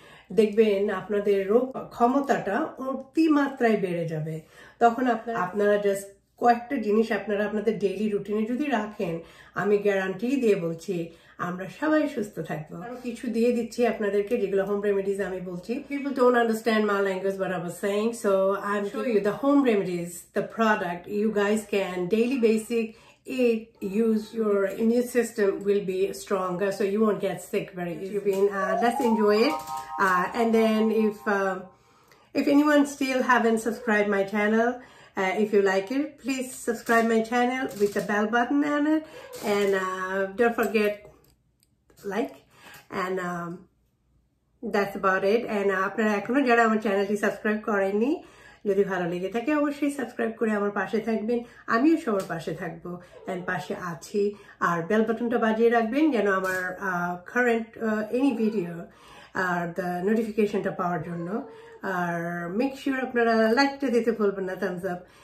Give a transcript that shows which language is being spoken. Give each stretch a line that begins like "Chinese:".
Bangla: দেখবেন আপনাদের রোগ ক্ষমতাটা অতিমাত্রায় বেড়ে যাবে তখন আপনারা জাস্ট কয়েকটা জিনিস আপনারা আপনাদের ডেইলি রুটিনে যদি রাখেন আমি গ্যারান্টি দিয়ে বলছি আমরা সবাই সুস্থ থাকবো আরো কিছু দিয়ে দিচ্ছি আপনাদেরকে যেগুলো হোম রেমেডিজ আমি বলছি
English: People don't understand my language but I was saying so I am showing you the home remedies the product you guys can daily basic it use your immune system will be stronger, so you won't get sick very easily. Let's enjoy it. And then if anyone still haven't subscribed my channel, if you like it, please subscribe my channel with the bell button on it, and don't forget like, and that's about it.
Bangla: And আপনারা এখনো যারা আমার চ্যানেলটি subscribe করেননি, যদি ভালো লেগে থাকে অবশ্যই সাবস্ক্রাইব করে আমার পাশে থাকবেন, আমিও সবার পাশে থাকব এন্ড পাশে আছি, আর বেল বাটনটা বাজিয়ে রাখবেন যেন আমার current any video are the নোটিফিকেশনটা পাওয়ার জন্য, আর মেক শিওর আপনারা লাইকটা দিতে ভুলবেন না, থামস আপ।